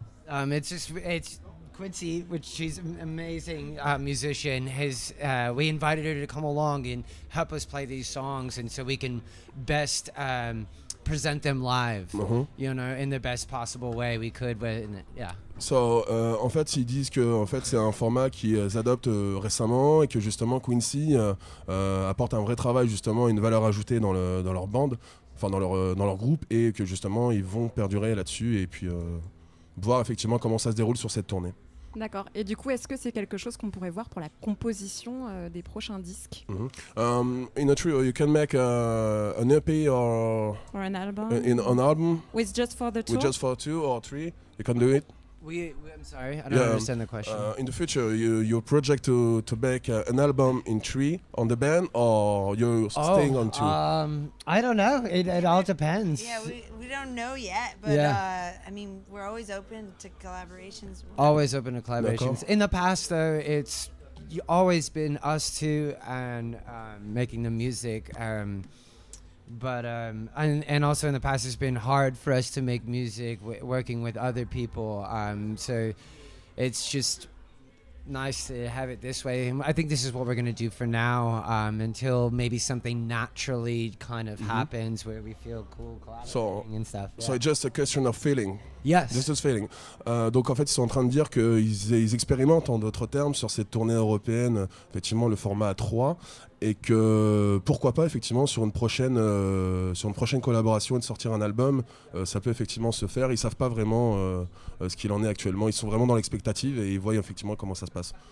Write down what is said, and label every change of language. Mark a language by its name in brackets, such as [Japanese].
[English] It's Quincy, which she's an amazing musician, has we invited her to come along and help us play these songs, and so we can best present them live, you know, in the best possible way we could. [French] So, en fait, ils disent que en fait, c'est un format qu'ils adoptent récemment et que justement Quincy apporte un vrai travail, justement, une valeur ajoutée dans leur bande, enfin dans leur groupe, et que justement ils vont perdurer là-dessus et puis. Voir effectivement comment ça se déroule sur cette tournée. D'accord. Et du coup, est-ce que c'est quelque chose qu'on pourrait voir pour la composition des prochains disques? [English] In a trio, you can make an EP or An album. An album. With just for the tour. With just for two or three, you can do it. I'm sorry, I don't understand the question. In the future, you project to make an album in three on the band, or you're staying on two? I don't know. It all depends. Yeah, we don't know yet, but I mean, we're always open to collaborations. Always open to collaborations. In the past, though, it's always been us two and making the music. But also in the past, it's been hard for us to make music working with other people. So it's just nice to have it this way. I think this is what we're going to do for now, until maybe something naturally kind of happens where we feel cool collaborating and stuff. So it's just a question of feeling. Yes. Just a feeling. [French] Donc en fait, ils sont en train de dire qu'ils expérimentent, en d'autres termes, sur cette tournée européenne, effectivement, le format à trois. et que pourquoi pas effectivement sur une prochaine collaboration et de sortir un album, ça peut effectivement se faire. Ils savent pas vraiment ce qu'il en est actuellement, ils sont vraiment dans l'expectative et ils voient effectivement comment ça se passe.